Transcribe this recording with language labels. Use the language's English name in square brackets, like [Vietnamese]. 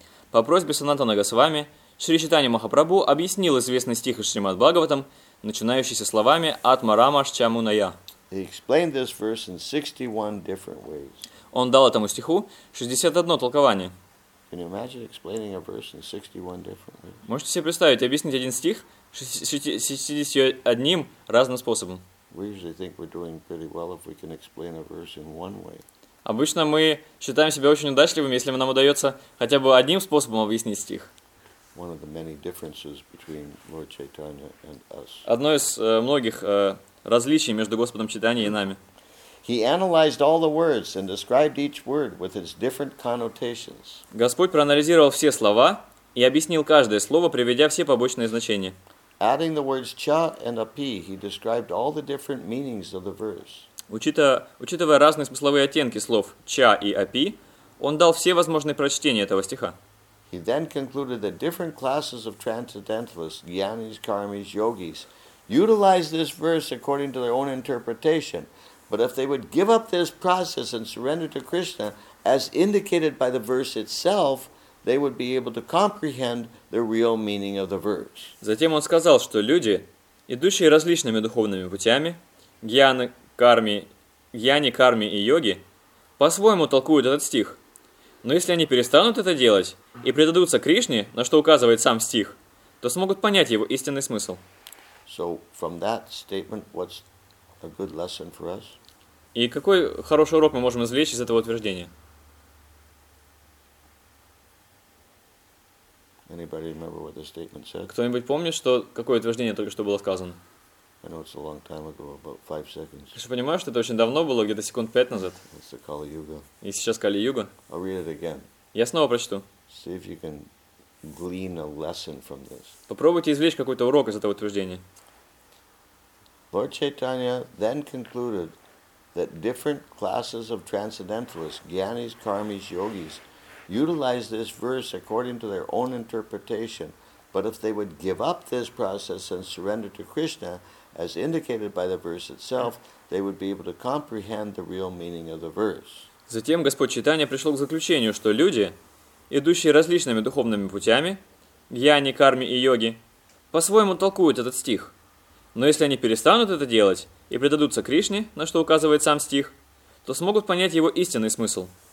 [Russian] По просьбе Санатана Госвами, Шри Чайтанья Махапрабху объяснил известный стих из Шримад Бхагаватам, начинающийся словами «Атма Рамаш Чамуная». [English] He explained this verse in 61 different ways. [Russian] Он дал этому стиху 61 толкование. [English] Can you imagine explaining a verse in 61 different ways? [Russian] Можете себе представить, объяснить один стих 61 разным способом? [English] We usually think we're doing pretty well if we can explain a verse in one way. [Russian] Обычно мы считаем себя очень удачливым, если нам удается хотя бы одним способом объяснить стих. [English] One of the many differences between Lord Chaitanya and us. [Russian] Одно из многих различий между Господом Чайтаньей и нами. [English] He analyzed all the words and described each word with its different connotations. [Russian] Господь проанализировал все слова и объяснил каждое слово, приведя все побочные значения. [English] Adding the words cha and api, he described all the different meanings of the verse. [Russian] Учитывая разные смысловые оттенки слов «ча» и «апи», он дал все возможные прочтения этого стиха. [English] He then concluded that different classes of transcendentalists, gyanis, karmis, yogis, utilize this verse according to their own interpretation, but if they would give up this process and surrender to Krishna, as indicated by the verse itself, they would be able to comprehend the real meaning of the verse. [Russian] Затем он сказал, что люди, идущие различными духовными путями, гьяны, карми, гьяни, карми и йоги по-своему толкуют этот стих. Но если они перестанут это делать и предадутся Кришне, на что указывает сам стих, то смогут понять его истинный смысл. [English] So, from that statement, what's a good lesson for us? [Russian] И какой хороший урок мы можем извлечь из этого утверждения? [English] Anybody remember what the statement said? [Russian] Кто-нибудь помнит, что какое утверждение только что было сказано? [English] I know it's a long time ago, about 5 seconds. [Russian] Я же понимаю, что это очень давно было, где-то 5 секунд назад. [English] It's the Kali-Yuga. [Russian] И сейчас Кали-Юга. [English] I'll read it again. [Russian] Я снова прочту. [English] See if you can glean a lesson from this. [Russian] Попробуйте извлечь какой-то урок из этого утверждения. [English] Lord Chaitanya then concluded that different classes of transcendentalists, gyanis, karmis, yogis, utilize this verse according to their own interpretation. But if they would give up this process and surrender to Krishna, as indicated by the verse itself, they would be able to comprehend the real meaning of the verse. [Russian] Затем Господь Чайтанья пришел к заключению, что люди, идущие различными духовными путями, гьяни, карми и йоги, по-своему толкуют этот стих. Но если они перестанут это делать и предадутся Кришне, на что указывает сам стих, то смогут понять его истинный смысл.